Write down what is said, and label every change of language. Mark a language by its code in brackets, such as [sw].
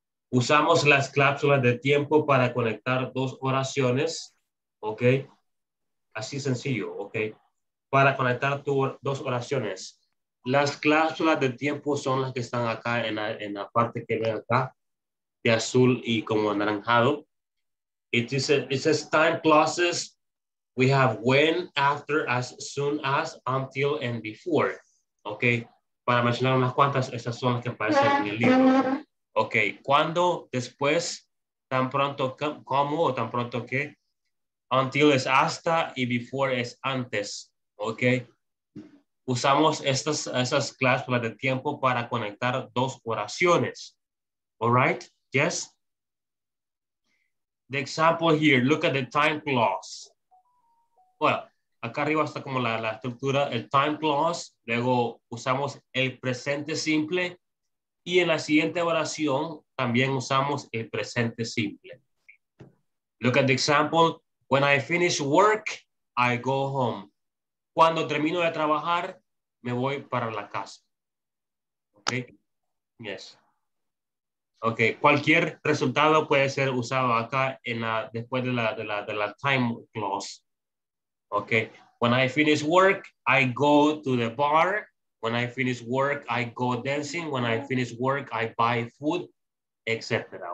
[es] Usamos las cláusulas de tiempo para conectar dos oraciones, okay? Así sencillo, okay? Para conectar dos oraciones. Las cláusulas de tiempo son las que están acá en la parte que ven acá, de azul y como anaranjado. [en] It says time clauses. We have when, after, as soon as, until, and before. Okay. [es] Para mencionar unas cuantas, esas son las que aparecen en el libro. Okay. Cuando, después, tan pronto, como, o tan pronto que. Until es hasta, y before es antes. Okay. Usamos esas cláusulas de tiempo para conectar dos oraciones. [en] All right. Yes. The example here, look at the time clause. [es] Bueno, acá arriba está como la estructura, el time clause, luego usamos el presente simple y en la siguiente oración también usamos el presente simple. [en] Look at the example, when I finish work, I go home. [es] Cuando termino de trabajar, me voy para la casa. Okay, yes. Okay, cualquier resultado puede ser usado acá después de la time clause. [en] Okay, when I finish work, I go to the bar. When I finish work, I go dancing. When I finish work, I buy food, etc.